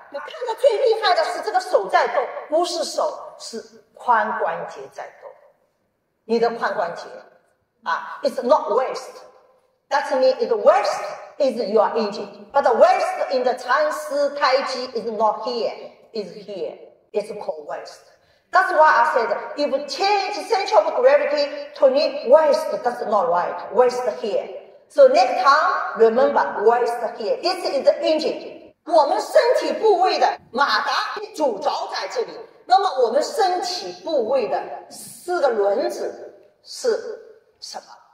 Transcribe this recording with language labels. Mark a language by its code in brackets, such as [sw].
[zh] 你看到最厉害的是这个手在动，不是手，是髋关节在动。你的髋关节啊 ， [en] it's not waist. That means the waist is your engine, but the waist in the 禅师太极 is not here, is here. It's called waist. That's why I said if change center of gravity to me, waist that's not right. Waist here. So next time, remember waist here. This is the engine. [zh] 我们身体部位的马达主轴在这里，那么我们身体部位的四个轮子是什么？